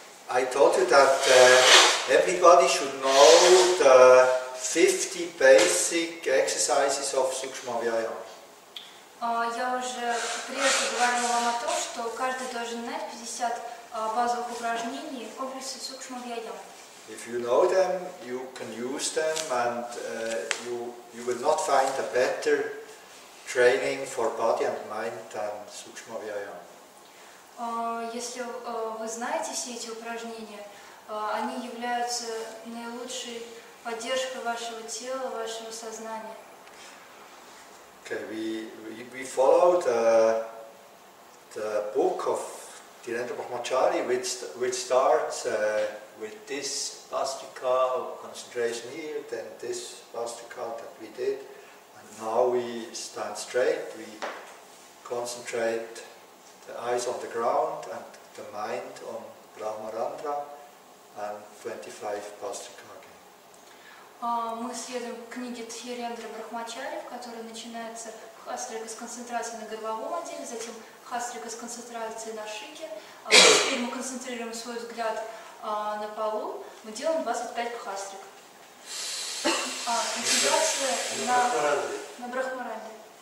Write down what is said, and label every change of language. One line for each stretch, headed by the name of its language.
English: I told you that everybody should know the 50 basic exercises of Sukshma Vyayama.
Russian: Я уже прежде говорила вам о том, что каждый должен знать 50 базовых упражнений в комплексе Sukshma Vyayama.
English: If you know them, you can use them, and you will not find a better training for body and mind than Sukshma Vyayama.
Russian: Если вы знаете все эти упражнения, они являются наилучшей поддержкой вашего тела, вашего сознания.
English: Okay, we follow the book of Dhirendra Brahmachari, which starts with this pastika concentration here, then this pastika that we did, and now we stand straight, we concentrate the eyes on the ground and the mind on Brahmarandra and 25 pastrika again.
Russian: мы следуем книге Тхирендры Брахмачари, в которой начинается хастрика с концентрации на горловом отделе, затем хастрика с концентрацией на шике. Теперь мы концентрируем свой взгляд на полу. Мы делаем 25 хастрик. Концентрация на Брахмаранде.